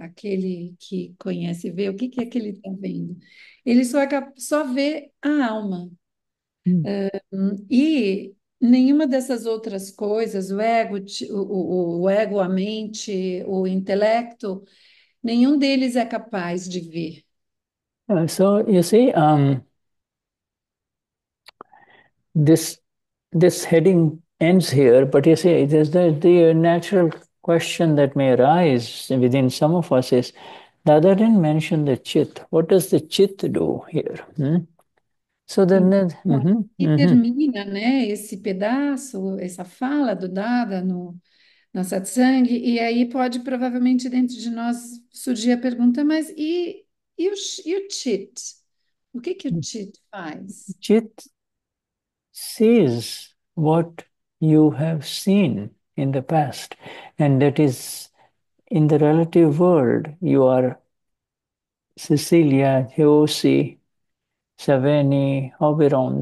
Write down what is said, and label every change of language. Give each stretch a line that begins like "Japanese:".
Portuguese: Aquele que conhece, vê o que, que é que ele está vendo. Ele só vê a alma. E nenhuma dessas outras coisas, o ego, o ego, a mente, o intelecto, nenhum deles é capaz de ver.
English: So you see, this heading ends here, but you see, it is the natural question that may arise within some of us is, Dada didn't mention the chit. What does the chit do here? So
Portuguese: Então,
English: then,
Portuguese: aqui termina, né, esse pedaço, essa fala do Dada no Satsang, e aí pode provavelmente dentro de nós surgir a pergunta, mas e o chit? O que que o chit faz?
English: Chit sees what you have seen in the past, and that is in the relative world. You are Cecilia, Heosi, Saveni, Oberon.